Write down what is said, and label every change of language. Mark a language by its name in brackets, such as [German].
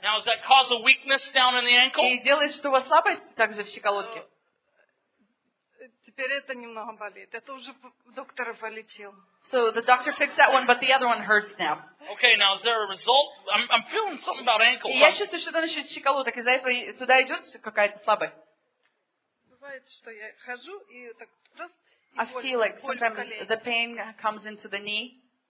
[English] Now, does that cause a weakness down in the ankle? [Russian] И делает, что у вас слабость также в щиколотке. Теперь это немного болит. Это уже доктор полечил. [English] So the doctor fixed that one, but the other one hurts now. Okay, now is there a result? I'm feeling something about ankle. [Russian] Я чувствую, что насчет щиколоток, из-за этого туда идет какая-то слабость. Бывает, что я хожу и так раз. [English] I feel like sometimes the pain comes into the knee.